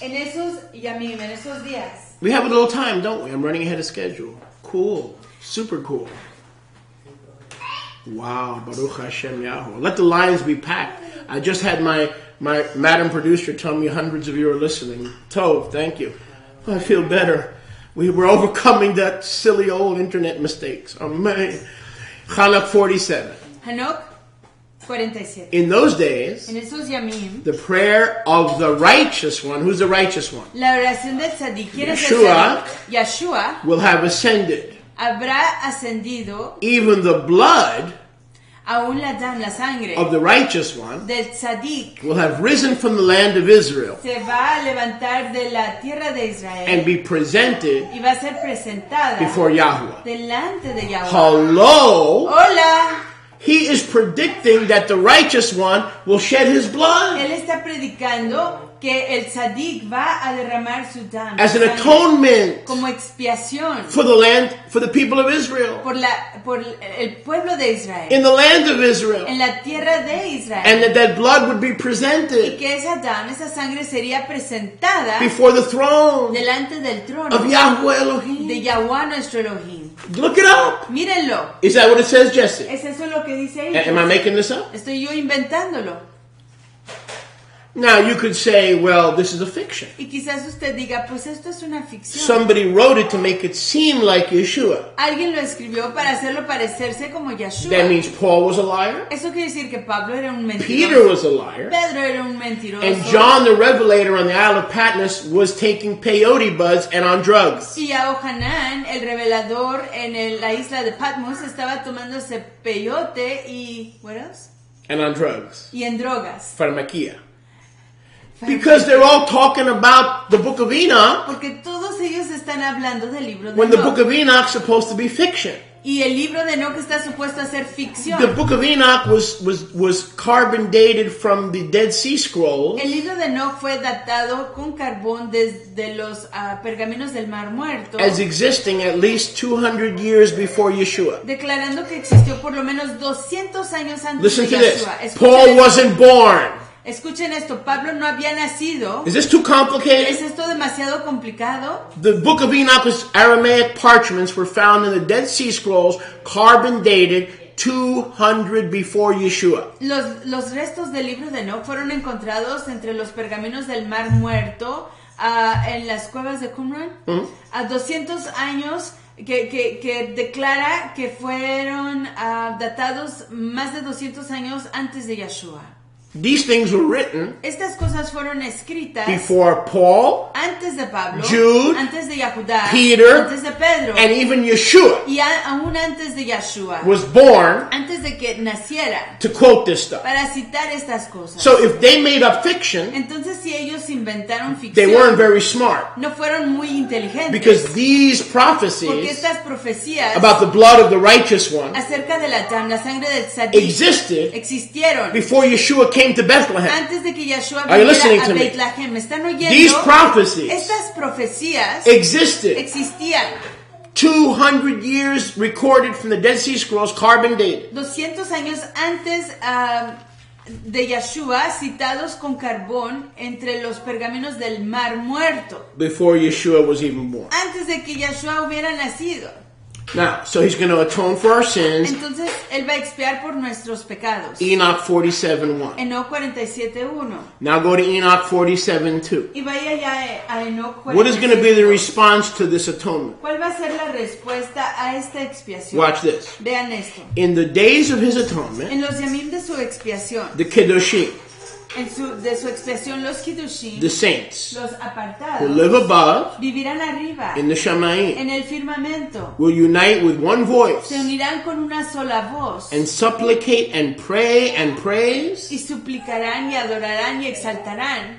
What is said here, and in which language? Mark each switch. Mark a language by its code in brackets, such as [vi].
[es] En esos, yamim, en esos días. [en] We have a little time, don't we? I'm running ahead of schedule. Cool. Super cool. Wow. [he] Baruch Hashem Yahuwah. [en] Let the lines be packed. I just had my madam producer tell me hundreds of you are listening. Tov, thank you. I feel better. We were overcoming that silly old internet mistakes. Amen. Chanuk 47. Hanuk. In those days, [es] en esos yamim, [en] the prayer of the righteous one, who's the righteous one? [es] La oración del tzadik, [en] Yeshua, will have ascended. [es] Habrá ascendido, [en] even the blood [es] aún la dan, la sangre, [en] of the righteous one [es] del tzadik, [en] will have risen from the land of Israel, [es] se va a levantar de la tierra de Israel [en] and be presented [es] y va a ser presentada [en] before Yahuwah. [es] Delante de Yahuwah. [en] Hello? [es] Hola. [en] He is predicting that the righteous one will shed his blood. [es] Él está predicando que el tzadik va a derramar su sangre. [en] As an atonement. [es] Como expiación. [en] For the land, for the people of Israel. [es] Por el pueblo de Israel. [en] In the land of Israel. [es] En la tierra de Israel. [en] And that blood would be presented. [es] Y que esa sangre sería presentada. [en] Before the throne. [es] Delante del trono. [en] Of Yahweh Elohim. [es] De Yahweh nuestro Elohim. [en] Look it up. [es] Mírenlo. [en] Is that what it says, Jesse? [es] ¿Es eso lo que dice ahí? [en] Am I making this up? [es] Estoy yo inventándolo. [en] Now you could say, well, this is a fiction. [es] Y quizás usted diga, pues esto es una ficción. [en] Somebody wrote it to make it seem like Yeshua. [es] Alguien lo escribió para hacerlo parecerse como Yeshua. [en] That means Paul was a liar. [es] Eso quiere decir que Pablo era un mentiroso. [en] Peter was a liar. [es] Pedro era un mentiroso. [en] And John the Revelator on the Isle of Patmos was taking peyote buds and on drugs. [es] Y a Ohanan, el revelador en la isla de Patmos, estaba tomándose peyote y... [en] what else? And on drugs. [es] Y en drogas. Farmaquía. [en] Because they're all talking about the Book of Enoch. [es] Porque todos ellos están hablando del libro de [en] Enoch. When the Book of Enoch is supposed to be fiction. [es] Y el libro de Enoch está supuesto a ser ficción. [en] The Book of Enoch was carbon dated from the Dead Sea Scrolls. [es] El libro de Enoch fue datado con carbón desde los pergaminos del Mar Muerto. [en] As existing at least 200 years before Yeshua. [es] Declarando que existió por lo menos 200 años antes [en] Listen [es] de Yeshua. [en] Listen to this. Paul wasn't born. [es] Escuchen esto, Pablo no había nacido. [en] Is this too complicated? [es] ¿Es esto demasiado complicado? [en] The Book of Enoch's Aramaic parchments were found in the Dead Sea Scrolls, carbon dated 200 before Yeshua. [es] Los restos del libro de Enoch fueron encontrados entre los pergaminos del Mar Muerto, en las cuevas de Qumran, a 200 años que declara que fueron datados más de 200 años antes de Yeshua. [en] These things were written [es] Estas cosas fueron escritas [en] before Paul, [es] antes de Pablo, [en] Jude, [es] antes de Yehudá, [en] Peter, [es] antes de Pedro, [en] and even Yeshua, [es] y aún antes de Yeshua [en] was born [es] antes de que naciera, [en] to quote this stuff. [es] Para citar estas cosas. [en] So if they made up fiction, [es] entonces, si ellos inventaron ficción, [en] they weren't very smart. [es] No fueron muy inteligentes, [en] because these prophecies [es] porque estas profecías [en] about the blood of the righteous one [es] acerca de la sangre del tzadik [en] existed [es] existieron [en] before Yeshua came to Bethlehem. [es] Antes de que Yeshua [en] Are you listening to [es] Bethlehem. [en] Me? [es] ¿Están oyendo? [en] These prophecies [es] Estas profecías [en] existed. [es] Existían. [en] 200 years recorded from the Dead Sea Scrolls, carbon dated. [es] 200 años antes de Yeshua, citados con carbón entre los pergaminos del Mar Muerto. [en] Before Yeshua was even born. [es] Antes de que Yeshua hubiera nacido. [en] Now, so he's going to atone for our sins. [es] Entonces, él va a expiar por nuestros pecados. [en] Enoch 47:1. Now go to Enoch 47:2. [es] Y vaya ya a Enoch. [en] What is going to be the response to this atonement? [es] ¿Cuál va a ser la respuesta a esta expiación? [en] Watch this. [es] Vean esto. [en] In the days of his atonement. [es] En los yamim de su expiación. [en] The kedoshim. [es] De su expiación, los kiddushin, [en] the saints, [es] los apartados, [en] who live above, [es] vivirán arriba, [en] in the shamayim, [es] en el firmamento, [en] will unite with one voice, [es] se unirán con una sola voz, [en] and supplicate and pray and praise, [es] y suplicarán y adorarán y exaltarán,